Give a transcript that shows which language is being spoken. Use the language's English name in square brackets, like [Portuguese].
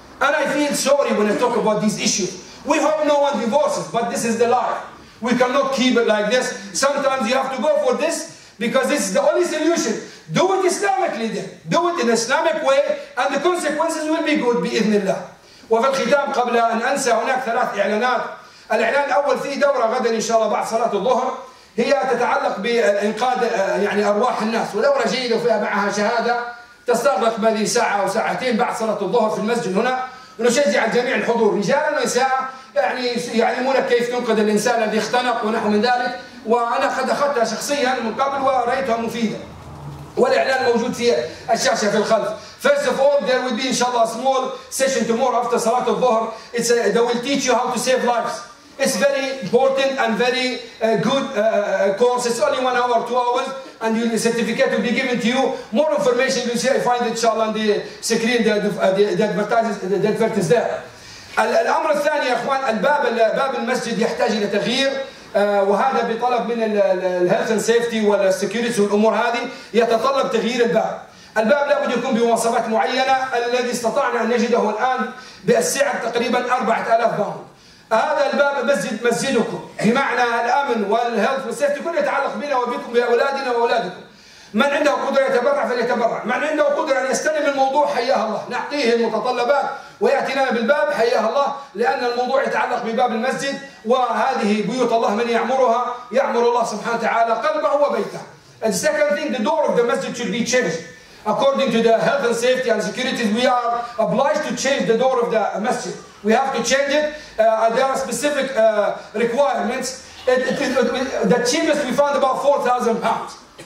[English] And I feel sorry when I talk about these issues. We hope no one divorces, but this is the life. We cannot keep it like this. Sometimes you have to go for this, because this is the only solution. Do it Islamically then. Do it in Islamic way, and the consequences will be good, bi-idhnillah. [Arabic] وفي الختام قبل أن أنسى هناك ثلاث إعلانات. الإعلان الأول في دورة غدا إن شاء الله بعد صلاة الظهر هي تتعلق بإنقاذ يعني أرواح الناس ودورة جيدة وفيها معها شهادة تستغرق ما ذي ساعة أو ساعتين بعد صلاة الظهر في المسجد هنا ونشجع الجميع الحضور رجالا ونساء يعني يعلمون كيف تنقذ الإنسان الذي اختنق ونحو من ذلك وأنا قد أخذتها شخصيا من قبل ورأيتها مفيدة والإعلان موجود في الشاشة في الخلف. [English] First of all, there will be, inshallah, a small session tomorrow after Salat of Dhuhr. They will teach you how to save lives. It's very important and very good course. It's only 1 hour, 2 hours, and the certificate will be given to you. More information, you see, I find it, inshallah, on the screen, the advertisement is there. [Arabic] الأمر الثاني يا أخوان, الباب المسجد يحتاج إلى تغيير. وهذا بطلب من الهيلث اند سيفتي والسكيورتي والامور هذه يتطلب تغيير الباب. الباب لابد يكون بمواصفات معينه الذي استطعنا ان نجده الان بالسعر تقريبا 4000 باوند. هذا الباب مسجدكم بمعنى الامن والهيلث والسيفتي كله يتعلق بنا وبكم باولادنا واولادكم. من عنده قدره يتبرع فليتبرع، من عنده قدره ان يستلم الموضوع حياه الله، نعطيه المتطلبات وياتي لنا بالباب حياه الله لان الموضوع يتعلق بباب المسجد وهذه بيوت الله من يعمرها يعمر الله سبحانه وتعالى قلبه وبيته. [English] And second thing, the door of the masjid should be changed. According to the health and safety and security, we are obliged to change the door of the masjid. We have to change it. There are specific requirements. The cheapest we found about 4,000 pounds.